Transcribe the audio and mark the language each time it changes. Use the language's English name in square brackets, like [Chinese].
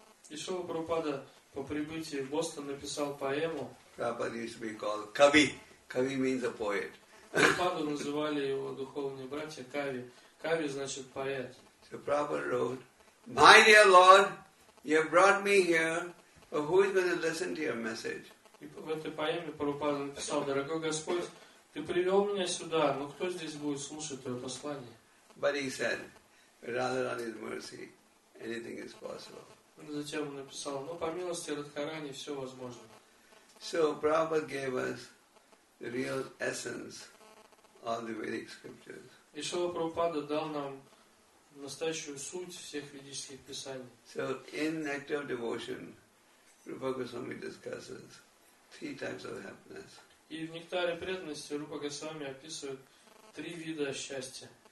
[Russian] И Шрила Прабхупада по прибытии в Бостон написал поэму. [English] Прабхупада used to be called Kavi. Kavi means a poet. [Russian] Прабхупаду называли его духовные братья Кави. Кави значит поэт. [English] So Prabhupada wrote, My dear Lord, you have brought me here, but who is going to listen to your message? [Russian] И в этой поэме Прабхупада написал, дорогой Господь, ты привел меня сюда, но кто здесь будет слушать твое послание? [English] But he said, rather on his mercy, anything is possible. [Russian] Затем он написал, ну, по милости Радхарани все возможно. [English] So, Prabhupada gave us the real essence of the Vedic scriptures. [Russian] И Шрила Прабхупада дал нам настоящую суть всех ведических писаний. [English] So, in Act of Devotion, Rupa Goswami discusses three types of happiness. [Russian] И в Нектаре преданности Рупа Госвами описывает три вида счастья.